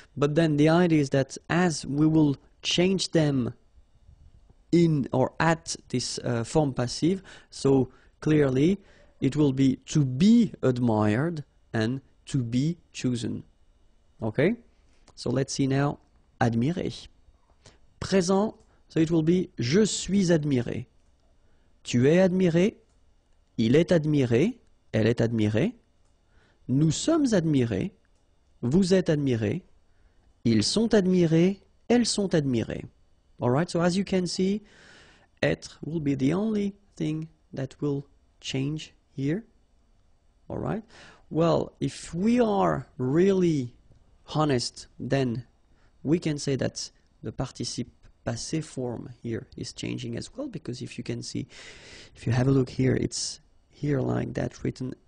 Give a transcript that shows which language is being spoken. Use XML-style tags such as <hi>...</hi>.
<en>But then the idea is that as we will change them in or at this form passive, so clearly it will be to be admired and to be chosen, okay? So let's see now, admirer.</en> <fr>Présent,</fr> <en>so it will be</en> <fr>je suis admiré. Tu es admiré, il est admiré, elle est admirée. Nous sommes admirés, vous êtes admirés, ils sont admirés, elles sont admirées.</fr> <en>All right, so as you can see, être will be the only thing that will change here. All right, well, if we are really honest, then we can say that the participe passé form here is changing as well, because if you can see, if you have a look here, it's here like that written.</en>